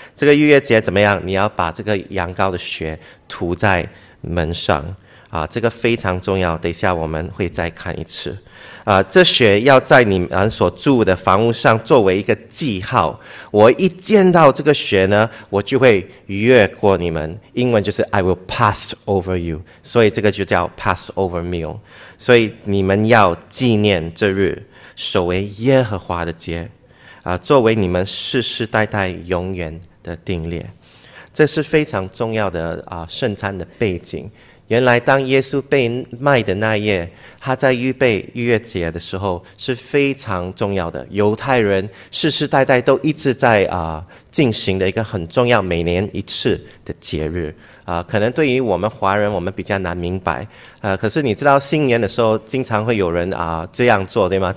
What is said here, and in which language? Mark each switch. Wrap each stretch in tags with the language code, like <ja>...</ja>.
<zh>这个逾越节怎么样？你要把这个羊羔的血涂在门上这个非常重要。等一下我们会再看一次这血要在你们所住的房屋上作为一个记号。我一见到这个血呢，我就会越过你们。英文就是</zh> <en>I will pass over you，</en> <zh>所以这个就叫</zh> <en>pass over meal。</en> <zh>所以你们要纪念这日，守为耶和华的节作为你们世世代代永远的定例。这是非常重要的圣餐的背景。原来当耶稣被卖的那夜，他在预备逾越节的时候是非常重要的，犹太人世世代代都一直在进行的一个很重要每年一次的节日可能对于我们华人我们比较难明白可是你知道新年的时候经常会有人这样做，对吗？</zh>